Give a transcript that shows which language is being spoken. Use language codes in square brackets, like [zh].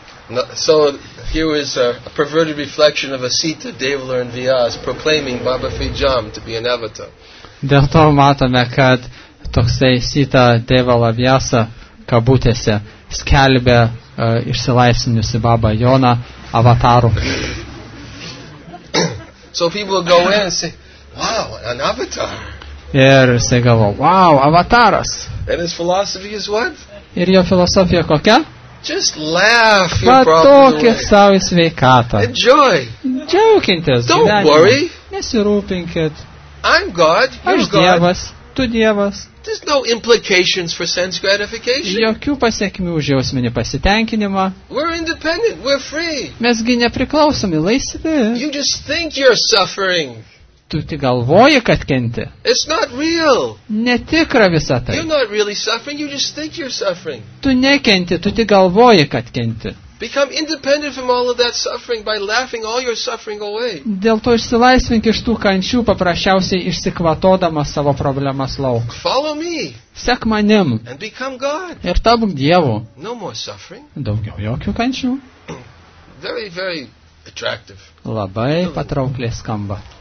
[en] No, so here is a perverted reflection of Asita, Devala and Vyas proclaiming Baba Fijam to be an avatar. [lt] Dėl to matome, kad toksai Sita, Devala, Vyasa kabutėse skelbė išsilaisvinusi Baba Joną avataru. [en] So people go in and say, wow, an avatar. [lt] Ir jisai galvo, wow, avataras. [en] And his philosophy is what? [lt] Ir jo filosofija kokia? [en] Just laugh your problems away. [lt] Sau sveikatą. [en] Enjoy. [lt] Džiaukintis. [en] Don't [lt] gyvenimą. [en] Worry. [lt] Nesirūpinkit. [en] I'm God, you're God. [lt] Aš Dievas, tu Dievas. [en] There's no implications for sense gratification. [lt] Jokių pasiekmių už jausminį pasitenkinimą. [en] We're independent, we're free. [lt] Mesgi nepriklausomi, laisvi. [en] You just think you're suffering. [lt] Tu tik galvoji, kad kenti. [en] It's not real. [lt] Netikra visa tai. [en] You're not really suffering, you just think you're suffering. [lt] Tu nekenti, tu tik galvoji, kad kenti. [en] Become independent from all of that suffering by laughing all your suffering away. [lt] Dėl to išsilaisvink iš tų kančių, paprasčiausiai išsikvatodamas savo problemas lauk. [en] Follow me. [lt] Sek manim. [en] And become God. [lt] Ir tapk Dievu. [en] No more suffering. [lt] Daugiau jokių kančių. [en] Very, very attractive. [lt] Labai patraukliai skamba.